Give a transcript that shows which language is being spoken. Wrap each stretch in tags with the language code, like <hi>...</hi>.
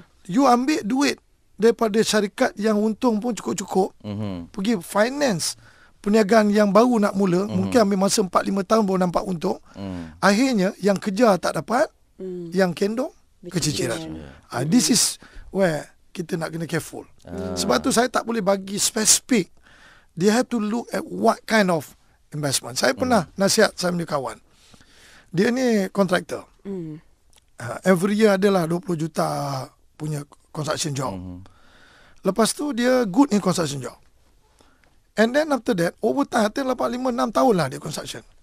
<ms>You ambil duit daripada syarikat yang untung pun cukup-cukup. Pergi finance perniagaan yang baru nak mula. Mungkin ambil masa 4-5 tahun baru nampak untung. Akhirnya yang kejar tak dapat. Yang kendong keciciran.</ms> <en>This is where</en> <ms>kita nak kena</ms> <en>careful.</en> <ms>Sebab tu saya tak boleh bagi specific.</ms> <en>They have to look at what kind of investment.</en> <ms>Saya pernah nasihat saya punya kawan. Dia ni contractor.</ms> <en>Every year</en> <ms>adalah 20 juta punya construction job. Lepas tu dia</ms> <en>good in construction job. And then after that, over time, after 5-6</en> <ms>tahun lah dia</ms> <en>construction.</en>